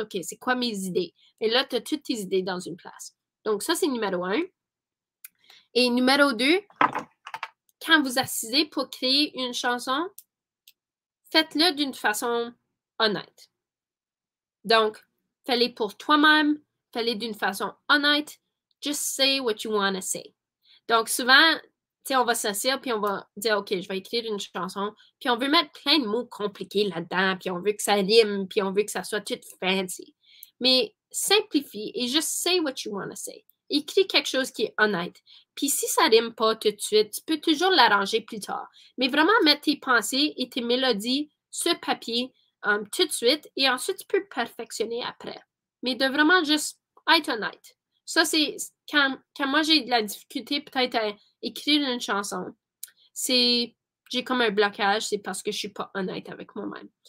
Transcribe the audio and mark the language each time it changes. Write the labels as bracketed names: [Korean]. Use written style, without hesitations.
[French] OK, c'est quoi mes idées? Et là, tu as toutes tes idées dans une place. Donc, ça, c'est numéro un. Et numéro deux, quand vous assisez pour créer une chanson, faites-le d'une façon honnête. Donc, fais-le pour toi-même, fais-le d'une façon honnête. [English] Just say what you want to say. [French] Donc, souvent, tu sais, on va s'asseoir puis on va dire, OK, je vais écrire une chanson. Puis on veut mettre plein de mots compliqués là-dedans. Puis on veut que ça rime. Puis on veut que ça soit tout fancy. Mais simplifie et [English] just say what you want to say. [French] Écris quelque chose qui est honnête. Puis si ça rime pas tout de suite, tu peux toujours l'arranger plus tard. Mais vraiment mettre tes pensées et tes mélodies sur papier tout de suite et ensuite tu peux perfectionner après. Mais de vraiment juste être honnête. Ça, c'est quand moi j'ai de la difficulté peut-être à écrire une chanson, c'est j'ai comme un blocage, c'est parce que je suis pas honnête avec moi-même.